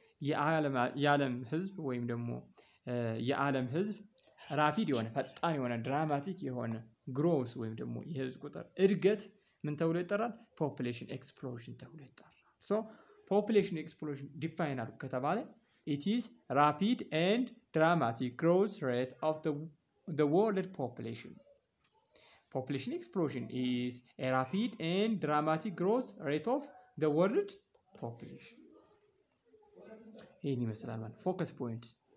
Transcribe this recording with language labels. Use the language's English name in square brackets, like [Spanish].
[Amharic] የዓለም ህዝብ ወይም ደግሞ የዓለም ህዝብ rapid የሆነ ፈጣን የሆነ dramatic የሆነ growth ወይም ደግሞ የህዝብ ቁጥር እድገት ምን ተብሎ ይጠራል? [English] population explosion [Amharic] ተብሎ ይጠራል። [English] So population explosion define [Amharic] አድርጎ ከተባለ [English] it is rapid and dramatic growth rate of the world population. Population explosion is a rapid and dramatic growth rate of the world population. [Amharic] ይህን ይመስላል ማለት [English] focus points.